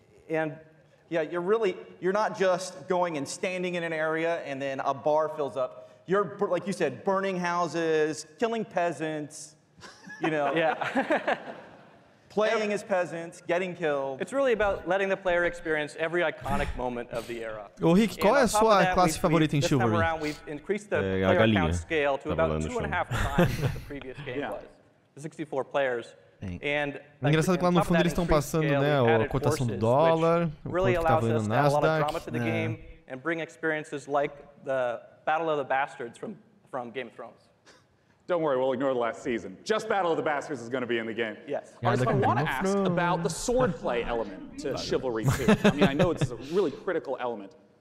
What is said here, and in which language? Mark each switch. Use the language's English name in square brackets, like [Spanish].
[English] yeah, you're not just going and standing in an area and then a bar fills up. You're, like you said, burning houses, killing peasants, you know. Yeah. Playing as peasants, getting killed. It's really about letting the player experience every iconic moment of the era. [Portuguese] Ô Rick, qual é a sua classe favorita em Chivalry? [English] This time around, we've increased the player count scale to about 2.5 times what the previous game was. 64 players. [Portuguese] É engraçado que lá no fundo eles estão passando, né, a cotação do dólar, o quanto que tá valendo o Nasdaq. [English] And bring experiences like the Battle of the Bastards from Game of Thrones. Don't worry, we'll ignore the last season. Just Battle of the Bastards is going to be in the game. Yes. Yeah, I want to ask about the swordplay element to Chivalry 2. I mean, I know it's a really critical element.